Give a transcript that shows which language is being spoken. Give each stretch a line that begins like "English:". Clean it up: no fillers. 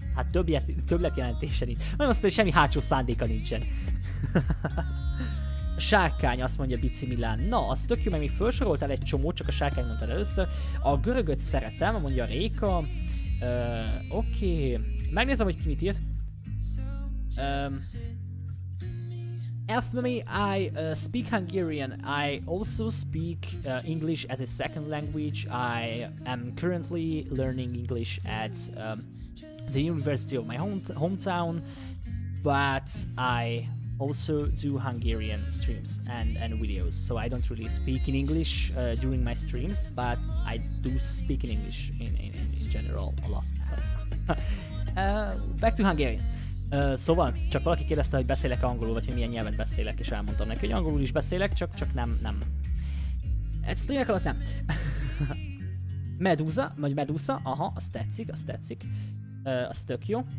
Hungarian: Hát többletjelentése nincs. Nem azt mondja, semmi hátsó szándéka nincsen. Sárkány, azt mondja Bici Milán. Na, az tök jó, mert még felsoroltál egy csomót, csak a sárkány mondtad először. A görögöt szeretem, mondja Réka. Oké. Megnézem, hogy ki mit írt.
English: If me, I speak Hungarian, I also speak English as a second language, I am currently learning English at the university of my hometown, but I also do Hungarian streams and videos, so I don't really speak in English during my streams, but I do speak in English in general a lot. So. back to Hungarian.
Hungarian: Szóval, csak valaki kérdezte, hogy beszélek angolul, vagy hogy milyen nyelven beszélek, és elmondtam neki, hogy angolul is beszélek, csak nem. Egy streamek alatt nem. Medusa, aha, az tetszik. Az tök jó.